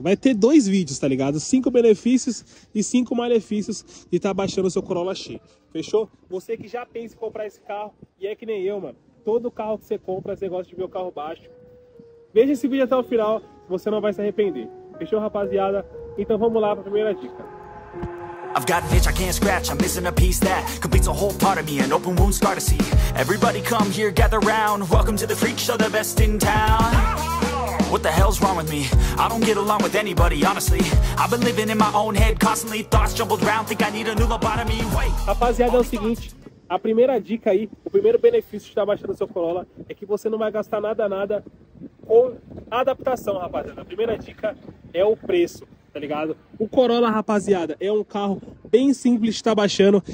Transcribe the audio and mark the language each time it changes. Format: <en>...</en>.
<pt>Vai ter 2 vídeos, tá ligado? 5 benefícios e 5 malefícios de estar baixando o seu Corolla cheio. Fechou? Você que já pensa em comprar esse carro, e é que nem eu, mano. Todo carro que você compra, você gosta de ver o carro baixo. Veja esse vídeo até o final, você não vai se arrepender. Fechou, rapaziada? Então vamos lá para a primeira dica.</pt> <en>I've got an itch I can't scratch, I'm missing a piece that completes a whole part of me, an open wound scar to see. Everybody come here, gather round, welcome to the freak show, the best in town. What the hell's wrong with me? I don't get along with anybody, honestly. I've been living in my own head, constantly thoughts jumbled round, think I need a new lobotomy. Wait.</en> <pt>Rapaziada, é o seguinte, a primeira dica aí, o primeiro benefício de estar baixando o seu Corolla é que você não vai gastar nada com adaptação, rapaziada. A primeira dica é o preço. Tá ligado? O Corolla, rapaziada, é um carro bem simples de estar baixando.</pt>